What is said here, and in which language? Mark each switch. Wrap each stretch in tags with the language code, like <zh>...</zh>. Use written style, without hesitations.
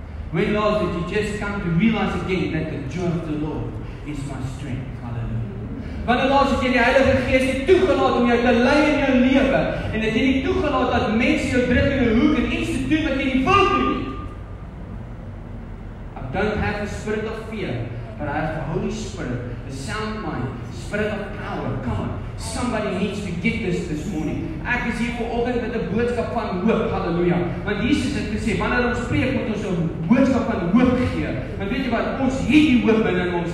<en>When last did you just come to realize again that the joy of the Lord is my strength? Hallelujah.</en> <af>Wanneer laas het jy die Heilige Gees toegelaat om jou te lei in jou lewe? En het jy nie toegelaat dat mense jou druk in 'n hoek en iets te doen wat jy nie wil doen nie?</af> <en>I don't have the spirit of fear, but I have the Holy Spirit, the sound mind, spirit of power. Come on. Somebody needs to get this morning.</en> <af>Ek is hier vanoggend met 'n boodskap van hoop. Halleluja. Want Jesus het gesê, wanneer ons preek, moet ons 'n boodskap van hoop gee. Want weet jy wat? Ons het die hoop binne in ons.</af>